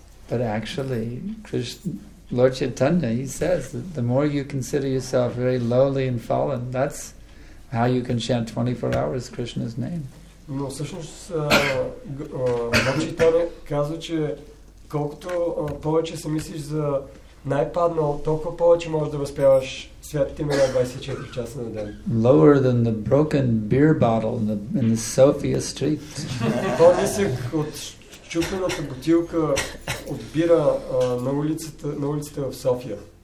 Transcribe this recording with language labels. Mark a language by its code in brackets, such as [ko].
[en] But actually, Lord Chaitanya, he says that the more you consider yourself very lowly and fallen, that's how you can chant 24 hours Krishna's name. [bg] Но всъщност Lord Chaitanya казва, че колкото повече се мислиш за най-паднал, толкова повече можеш да възпяваш святите имена 24 часа на ден. [en] Lower than the broken beer bottle in the Sofia street. [bg] По-нисък от чупената бутилка от бира на улицата в София.